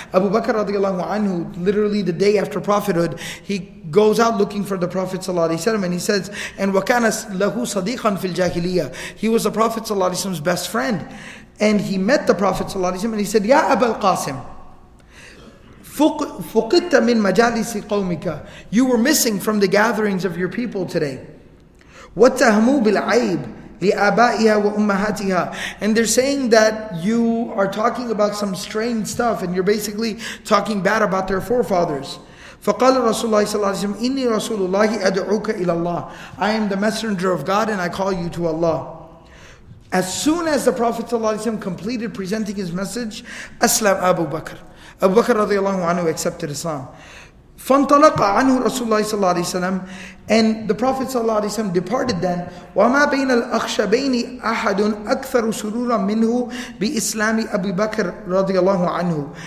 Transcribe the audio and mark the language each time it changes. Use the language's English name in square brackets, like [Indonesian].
[English] Abu Bakr radiallahu anhu, literally the day after prophethood, he goes out looking for the Prophet sallallahu alaihi wasallam, and he says, "And wa kana lahu sadiqan fil jahiliyah." He was the Prophet sallallahu alaihi wasallam's best friend, and he met the Prophet sallallahu alaihi wasallam, and he said, "Ya Abu al-Qasim, [Arabic] فقدت من مجالس قومك. [English] You were missing from the gatherings of your people today. [Arabic] واتهموا بالعيب لآبائها وأمهاتها. [English] And they're saying that you are talking about some strange stuff, and you're basically talking bad about their forefathers. [Arabic] فقال رسول الله صلى الله عليه وسلم إني رسول الله أدعوك إلى الله. [English] I am the messenger of God, and I call you to Allah. As soon as the Prophet صلى الله عليه وسلم completed presenting his message, [Arabic] أسلم أبو بكر. [English] Abu Bakr radiallahu anhu accepted Islam. [Arabic] فَانْطَلَقَ عَنْهُ رَسُولُ اللَّهِ صَلَّى اللَّهِ عَلَيْهِ وَسَلَّمَ. [English] And the Prophet صلى الله عليه وسلم departed then. [Arabic] وَمَا بَيْنَ الْأَخْشَبَيْنِ أَحَدٌ أَكْثَرُ سُرُورًا مِنْهُ بِإِسْلَامِ أَبِي بَكْرٍ رَضِيَ اللَّهُ عَنْهُ.